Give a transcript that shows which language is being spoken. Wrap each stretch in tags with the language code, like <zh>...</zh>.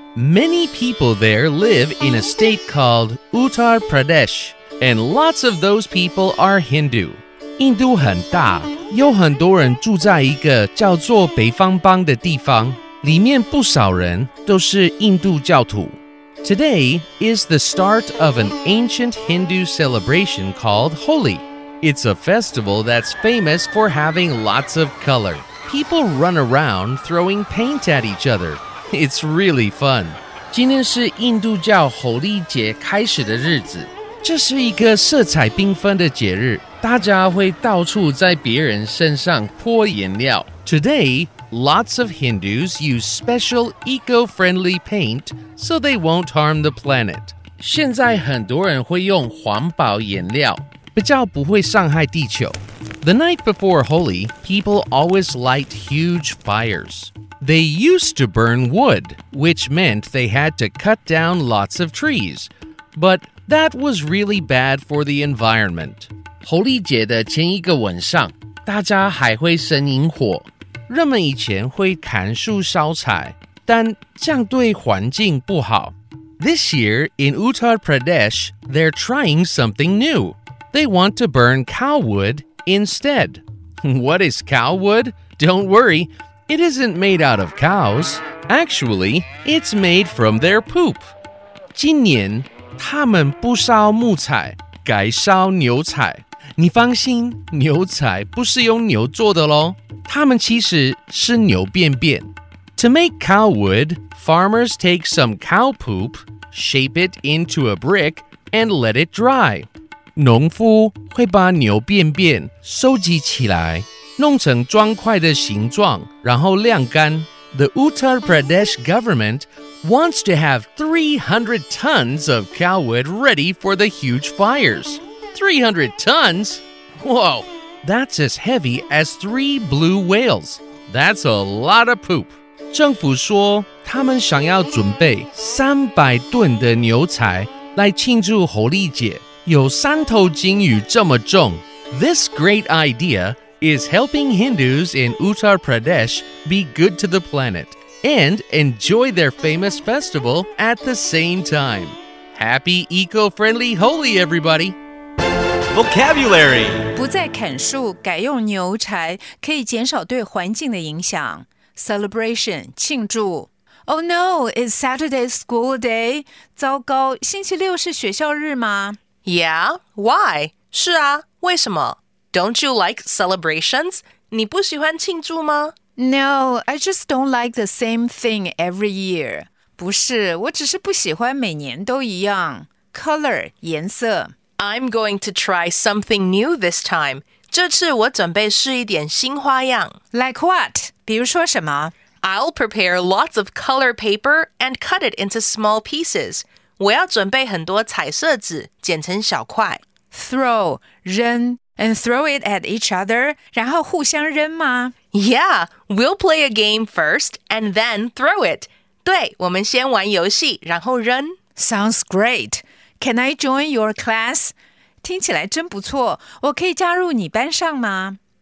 <en>Many people there live in a state called Uttar Pradesh, and lots of those people are Hindu.</en> <zh>印度很大，有很多人住在一个叫做北方邦的地方，里面不少人都是印度教徒。</zh> <en>Today is the start of an ancient Hindu celebration called Holi. It's a festival that's famous for having lots of color. People run around throwing paint at each other. It's really fun.</en> <zh>今天是印度教猴历节开始的日子，这是一个色彩缤纷的节日。大家会到处在别人身上泼颜料。</zh> <en>Today, lots of Hindus use special eco-friendly paint so they won't harm the planet.</en> <zh>现在很多人会用环保颜料，比较不会伤害地球。</zh> <en>The night before Holi, people always light huge fires. They used to burn wood, which meant they had to cut down lots of trees. But that was really bad for the environment.</en> <zh>猴历节的前一个晚上，大家还会生萤火。人们以前会砍树烧柴，但这样对环境不好。</zh> <en>This year in Uttar Pradesh, they're trying something new. They want to burn cow wood instead. What is cow wood? Don't worry, it isn't made out of cows. Actually, it's made from their poop.</en> <zh>今年他们不烧木材，改烧牛柴。你放心，牛柴不是用牛做的咯，它们其实是牛便便。</zh> <en>To make cow wood, farmers take some cow poop, shape it into a brick, and let it dry.</en> <zh>农夫会把牛便便收集起来，弄成砖块的形状，然后晾干。</zh> <en>The Uttar Pradesh government wants to have 300 tons of cow wood ready for the huge fires. 300 tons? Whoa, that's as heavy as three blue whales. That's a lot of poop.</en> <zh>政府说他们想要准备300吨的牛柴来庆祝猴历节，有三头鲸鱼这么重。</zh> <en>This great idea is helping Hindus in Uttar Pradesh be good to the planet and enjoy their famous festival at the same time. Happy eco-friendly Holi, everybody! Vocabulary.</en> <zh>不再砍树，改用牛柴，可以减少对环境的影响。</zh> <en>Celebration,</en> <zh>庆祝。</zh> <en>Oh no, it's Saturday school day.</en> <zh>糟糕，星期六是学校日吗？</zh> <en>Yeah, why?</en> <zh>是啊，为什么？</zh> <en>Don't you like celebrations?</en> <zh>你不喜欢庆祝吗？</zh> <en>No, I just don't like the same thing every year.</en> <zh>不是，我只是不喜欢每年都一样。</zh> <en>Color,</en> <zh>颜色。</zh> <en>I'm going to try something new this time.</en> <zh>这次我准备试一点新花样。</zh> <en>Like what?</en> <zh>比如说什么?</zh> <en>I'll prepare lots of color paper and cut it into small pieces.</en> <zh>我要准备很多彩色纸,剪成小块。</zh> <en>Throw,</en> <zh>扔,</zh> <en>and throw it at each other,</en> <zh>然后互相扔吗?</zh> <en>Yeah, we'll play a game first and then throw it.</en> <zh>对,我们先玩游戏,然后扔。</zh> <en>Sounds great. Can I join your class?</en> <zh>听起来真不错，我可以加入你班上吗？</zh>